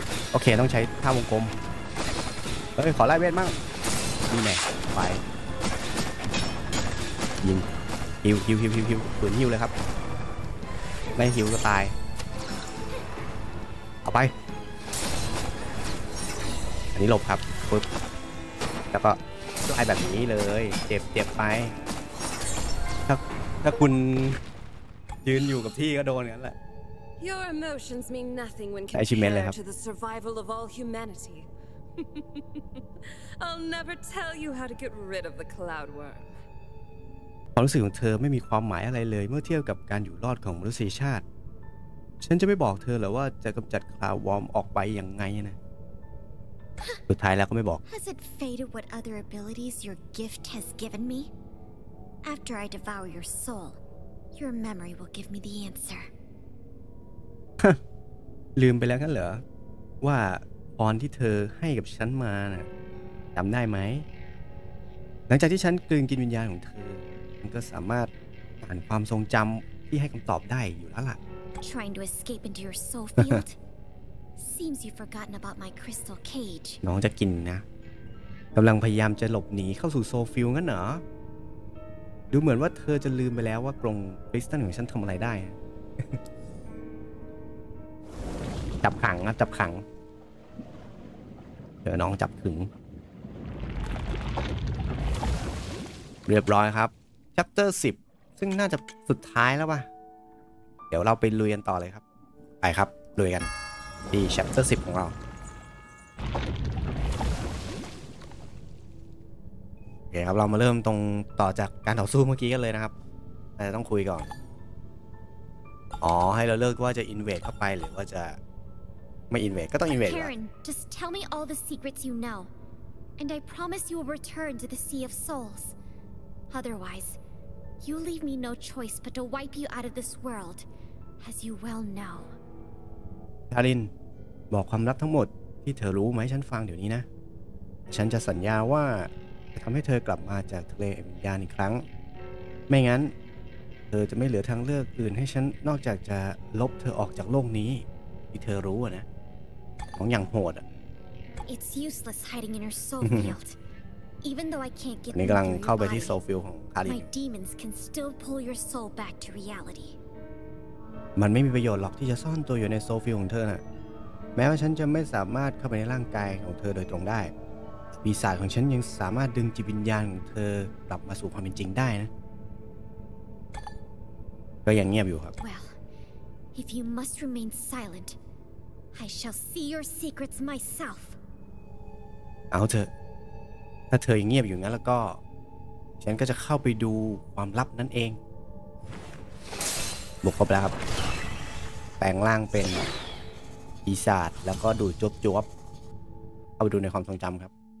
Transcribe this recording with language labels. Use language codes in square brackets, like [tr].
[th] โอเคต้องใช้ท่าวงกลมเฮ้ยขอไล่เวทมั่งมีแม่ไปยิงฮิวฮิวฮิวฮิวฮิวปืนฮิวเลยครับไม่ฮิวก็ตายเอาไปอันนี้หลบครับปึ๊บแล้วก็ไล่แบบนี้เลยเจ็บเจ็บไปถ้าคุณยืนอยู่กับที่ก็โดนงั้นแหละ [en] Your emotions mean nothing when compared to the survival of all humanity. I'll never tell you how to get rid of the cloud worm. [th] ความรู้สึกของเธอไม่มีความหมายอะไรเลยเมื่อเทียบกับการอยู่รอดของมนุษยชาติฉันจะไม่บอกเธอหรอว่าจะกำจัดคลาวด์วอร์มออกไปยังไงนะสุดท้ายแล้วก็ไม่บอก [en] Has it faded what other abilities your gift has given me? After I devour your soul, your memory will give me the answer. [th] ลืมไปแล้วกันเหรอว่าพรที่เธอให้กับฉันมาน่ะจำได้ไหมหลังจากที่ฉันกลืนกินวิญญาณของเธอมันก็สามารถอ่านความทรงจำที่ให้คำตอบได้อยู่แล้วล่ะ [en] Trying to escape into your soul field Seems you've forgotten about my crystal cage [th] น้องจะกินนะกำลังพยายามจะหลบหนีเข้าสู่โซฟิลงั้นเหรอดูเหมือนว่าเธอจะลืมไปแล้วว่ากรงคริสตัลของฉันทำอะไรได้จับขังนะจับขังเดี๋ยวน้องจับขึงเรียบร้อยครับ Chapter 10ซึ่งน่าจะสุดท้ายแล้วป่ะเดี๋ยวเราไปลุยกันต่อเลยครับไปครับลุยกันที่ Chapter 10ของเรา โอเคครับเรามาเริ่มตรงต่อจากการต่อสู้เมื่อกี้กันเลยนะครับอาจจะต้องคุยก่อนอ๋อให้เราเลือกว่าจะ Invade เข้าไปหรือว่าจะไม่อินเวทก็ต้องอินเวท แล้ว [en] Just tell me all the secrets you know and I promise you will return to the Sea of Souls. Otherwise, you leave me no choice but to wipe you out of this world as you well know. [th] คารินบอกความลับทั้งหมดที่เธอรู้มาให้ฉันฟังเดี๋ยวนี้นะฉันจะสัญญาว่าจะทำให้เธอกลับมาจากทะเลวิญญาณอีกครั้งไม่งั้นเธอจะไม่เหลือทางเลือกอื่นให้ฉันนอกจากจะลบเธอออกจากโลกนี้ที่เธอรู้อ่ะนะของอย่างโหดอ่ ะ [en] It's useless hiding in her soul field. Even though I can't get [th] นี่กำลังเข้าไปที่โซลฟิลของคาริน [en] My demons can still pull your soul back to reality. [th] มันไม่มีประโยชน์หรอกที่จะซ่อนตัวอยู่ในโซลฟิลของเธอน่ะแม้ว่าฉันจะไม่สามารถเข้าไปในร่างกายของเธอโดยตรงได้ปีศาจของฉันยังสามารถดึงจิตวิญญาณของเธอกลับมาสู่ความเป็นจริงได้นะก็ยังเงียบอยู่ครับ [en] Well, if you must remain silentI shall see your secrets myself. [th] เอาเถอะถ้าเธอยังเงียบอยู่งั้นแล้วก็ฉันก็จะเข้าไปดูความลับนั่นเองบุกเข้าไปแล้วครับแปลงร่างเป็นปีศาจแล้วก็ดูดจวบๆเข้าไปดูในความทรงจำครับ